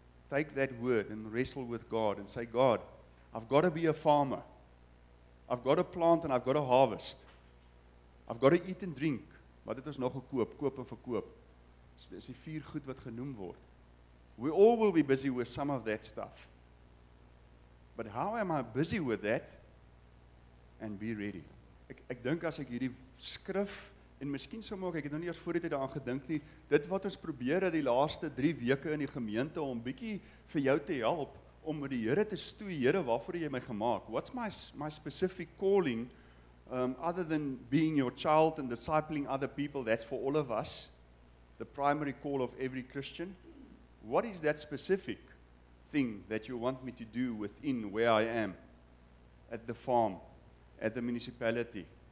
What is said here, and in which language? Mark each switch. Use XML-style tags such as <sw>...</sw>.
<en>Take that word and wrestle with God and say, God, I've got to be a farmer. I've got to plant and I've got to harvest. I've got to eat and drink.</en> <af>Wat het ons nog gekoop? Koop en verkoop. Dis die vier goed wat genoem word.</af> <en>We all will be busy with some of that stuff. But how am I busy with that? And be ready.</en> <af>Ek dink as ek hierdie skrif en miskien sou maak, ek het nou nie eers voor die tyd daaraan gedink nie, dit wat ons probeer het die laaste 3 weke in die gemeente om bietjie vir jou te help, om met die Here te stoei, Here, waarvoor jy my gemaak?</af> <en>What's my specific calling, other than being your child and discipling other people, that's for all of us, the primary call of every Christian. What is that specific thing that you want me to do within where I am, at the farm, at the municipality?</en>